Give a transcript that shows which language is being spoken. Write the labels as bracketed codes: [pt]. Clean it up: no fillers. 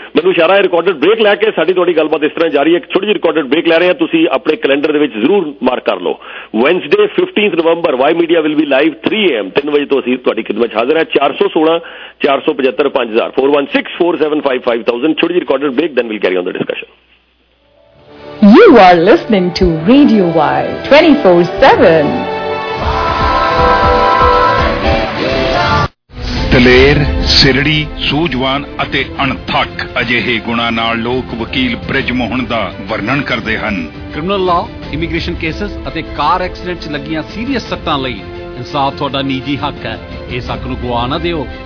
[pa] ਮੈਨੂੰ ਇਸ਼ਾਰਾ recorded break ਲੈ ਕੇ, ਸਾਡੀ ਤੁਹਾਡੀ ਗੱਲਬਾਤ ਇਸ ਤਰ੍ਹਾਂ ਜਾਰੀ ਹੈ, ਛੋਟੀ ਜਿਹੀ ਰਿਕਾਰਡਡ ਬ੍ਰੇਕ ਲੈ ਰਹੇ ਹਾਂ, ਤੁਸੀਂ ਆਪਣੇ ਕੈਲੰਡਰ ਦੇ ਵਿੱਚ ਜ਼ਰੂਰ ਮਾਰਕ ਕਰ ਲਓ, Wednesday 15 November [en] Y media will be live 3 AM, 3 PM [pa] ਤੋਂ ਅਸੀਂ ਤੁਹਾਡੀ ਖਿਦਮਤ 'ਚ ਹਾਜ਼ਰ ਹਾਂ। 416-475-5000 416-475-5000, ਛੋਟੀ ਜਿਹੀ recorded break, [en] Then will carry on the discussion. You are listening to Radio Y 24/7. [pa] ਦਲੇਰ, ਸਿਰੜੀ, ਸੂਝਵਾਨ ਅਤੇ ਅਣਥੱਕ, ਅਜਿਹੇ ਗੁਣਾਂ ਨਾਲ ਲੋਕ ਵਕੀਲ ਬ੍ਰਿਜ ਮੋਹਨ ਦਾ ਵਰਣਨ ਕਰਦੇ ਹਨ। ਕ੍ਰਿਮੀਨਲ ਲਾਅ, ਇਮੀਗ੍ਰੇਸ਼ਨ ਕੇਸਸ ਅਤੇ ਕਾਰ ਐਕਸੀਡੈਂਟ 'ਚ ਲੱਗੀਆਂ ਸੀਰੀਅਸ ਸੱਟਾਂ ਲਈ ਇਨਸਾਫ ਤੁਹਾਡਾ ਨਿੱਜੀ ਹੱਕ ਹੈ, ਇਸ ਹੱਕ ਨੂੰ ਗੁਆ ਨਾ ਦਿਓ।